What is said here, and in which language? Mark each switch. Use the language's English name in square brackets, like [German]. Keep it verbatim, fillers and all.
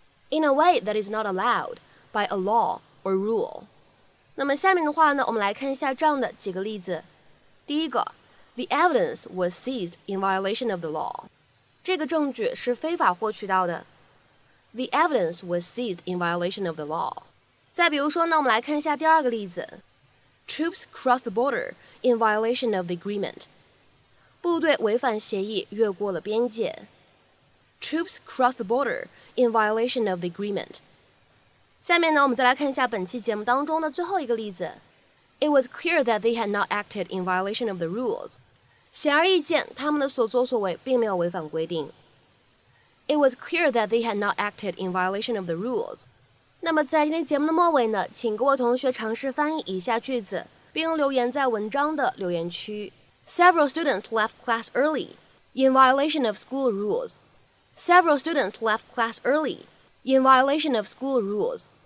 [English] In a way that is not allowed by a law or rule. [Chinese] 那么下面的话呢，我们来看一下这样的几个例子。 [English] 第一个 ，The evidence was seized in violation of the law. [Chinese] 这个证据是非法获取到的。 [English] The evidence was seized in violation of the law. [Chinese] 再比如说呢，我们来看一下第二个例子。 [English] Troops crossed the border in violation of the agreement. [Chinese] 部队违反协议，越过了边界。 [English] Troops crossed the border. In violation of the agreement. [Chinese] 下面呢，我们再来看一下本期节目当中的最后一个例子。 [English] It was clear that they had not acted in violation of the rules. [Chinese] 显而易见，他们的所作所为并没有违反规定。 [English] It was clear that they had not acted in violation of the rules. [Chinese] 那么在今天节目的末尾呢，请各位同学尝试翻译以下句子，并留言在文章的留言区。 [English] Several students left class early in violation of school rules. Several students left class early in violation of school rules.